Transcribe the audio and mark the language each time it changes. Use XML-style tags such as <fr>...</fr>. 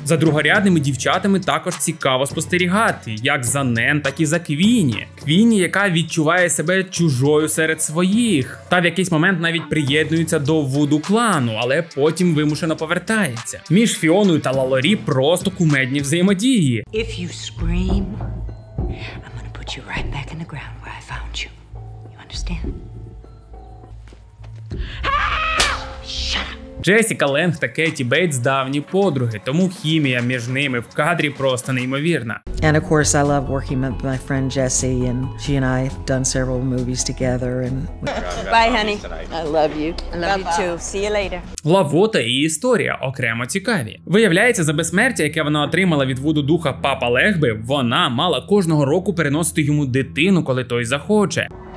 <uk>За другорядними дівчатами також цікаво спостерігати, як за Нен, так і за Квіні. Квіні, яка відчуває себе чужою серед своїх, та в якийсь момент навіть приєднується до вуду-клану, але потім вимушено повертається. Між Фіоною та Лалорі просто кумедні взаємодії.</uk> <en>If you scream, I'm gonna put you right back in the ground where I found you. You understand?</en> <uk>Джессіка Ленг та Кеті Бейтс давні подруги, тому хімія між ними в кадрі просто неймовірна.</uk> <en>And of course I love working with my friend Jesse, and she and I have done several movies together and Bye honey. I love you too. See you later.</en> <uk>Лаво та її історія окремо цікаві. Виявляється, за безсмертя, яке вона отримала від вуду духа папа Легби, вона мала кожного року переносити йому дитину, коли той захоче.</uk>